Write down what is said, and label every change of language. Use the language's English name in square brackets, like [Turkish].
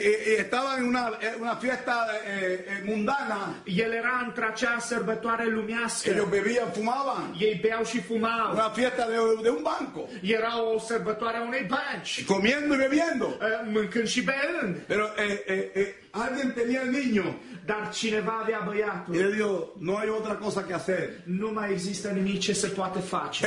[Spanish] Y estaba en una fiesta mundana. [Romanian] El era într-acea sărbătoare lumească. [Spanish] Ellos bebían, fumaban. [Romanian] Ei beau și fumau. [Spanish] Una fiesta de un banco. [Romanian] Era o sărbătoare a unei bănci. [Spanish] Comiendo y bebiendo. [Romanian] Mâncând și beând. [Spanish] Pero alguien tenía el niño. [Romanian] Dar cineva avea băiatul. [Spanish] Y él dijo, no hay otra cosa que hacer. [Romanian] Nu mai există nimic ce se poate face.